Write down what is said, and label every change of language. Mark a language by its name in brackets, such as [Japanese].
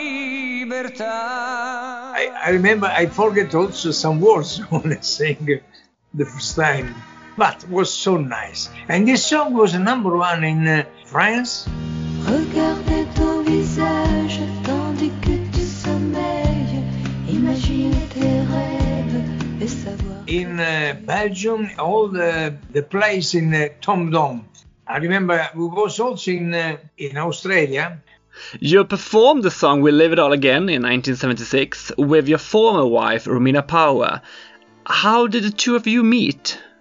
[English] I remember I forget also some words when I sang the first time, but it was so nice. And this song was number one in France. [French] Regardez ton visage tandis que tu sommeilles, imagine tes rêves et savoir. [English] In Belgium, all the place in Tom Dom. I remember we was also in Australia. You performed the song We Live It All Again in 1976 with your former wife, Romina Power. How did the two of you meet?